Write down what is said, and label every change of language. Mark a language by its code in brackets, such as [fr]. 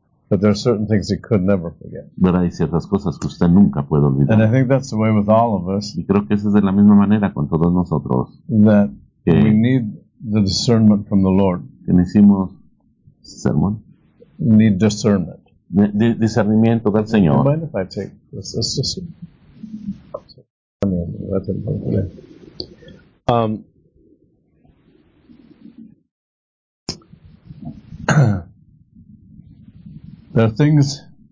[en] But there are certain things he could never forget. [es] Pero hay ciertas cosas que usted nunca puede olvidar. [en] And I think that's the way with all of us. [es] Y creo que eso es de la misma manera con todos nosotros. [en] That we need the discernment from the Lord. [es] Necesitamos sermón. [en] Need discernment. [es] Discernimiento del Señor. [en] Mind if I take this? It's just, there are things